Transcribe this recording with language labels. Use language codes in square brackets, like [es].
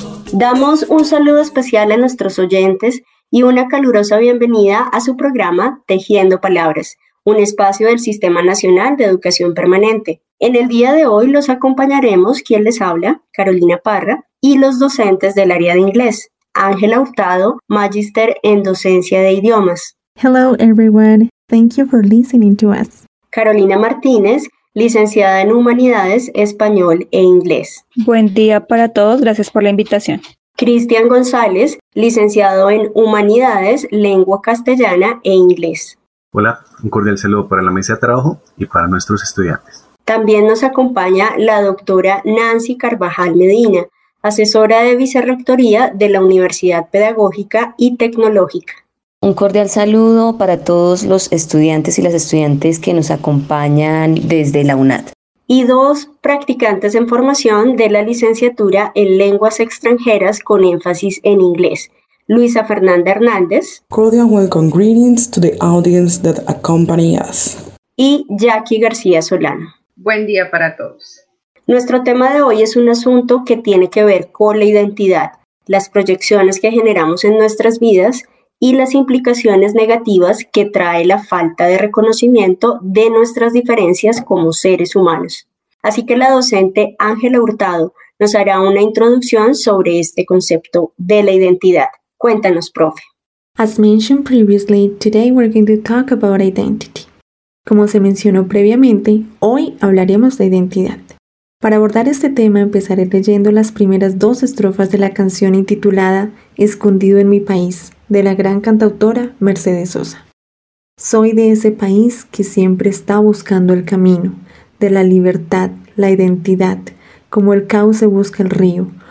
[es] Damos un saludo especial a nuestros oyentes y una calurosa bienvenida a su programa Tejiendo Palabras, un espacio del Sistema Nacional de Educación Permanente. En el día de hoy los acompañaremos quien les habla, Carolina Parra, y los docentes del área de inglés, Ángela Hurtado, magíster en docencia de idiomas. [en] Hello everyone, thank you for listening to us. [es] Carolina Martínez, licenciada en Humanidades, Español e Inglés. Buen día para todos, gracias por la invitación. Cristian González, licenciado en Humanidades, Lengua Castellana e Inglés. Hola, un cordial saludo para la mesa de trabajo y para nuestros estudiantes. También nos acompaña la doctora Nancy Carvajal Medina, asesora de Vicerrectoría de la Universidad Pedagógica y Tecnológica. Un cordial saludo para todos los estudiantes y las estudiantes que nos acompañan desde la UNAD. Y dos practicantes en formación de la licenciatura en Lenguas Extranjeras con énfasis en inglés, Luisa Fernanda Hernández. [en] Cordial welcome greetings to the audience that accompany us. [es] Y Jackie García Solano. Buen día para todos. Nuestro tema de hoy es un asunto que tiene que ver con la identidad, las proyecciones que generamos en nuestras vidas y las implicaciones negativas que trae la falta de reconocimiento de nuestras diferencias como seres humanos. Así que la docente Ángela Hurtado nos hará una introducción sobre este concepto de la identidad. Cuéntanos, profe. [en] As mentioned previously, today we're going to talk about identity. [es] Como se mencionó previamente, hoy hablaremos de identidad. Para abordar este tema, empezaré leyendo las primeras dos estrofas de la canción intitulada Escondido en mi país, de la gran cantautora Mercedes Sosa. Soy de ese país que siempre está buscando el camino, de la libertad, la identidad, como el cauce busca el río.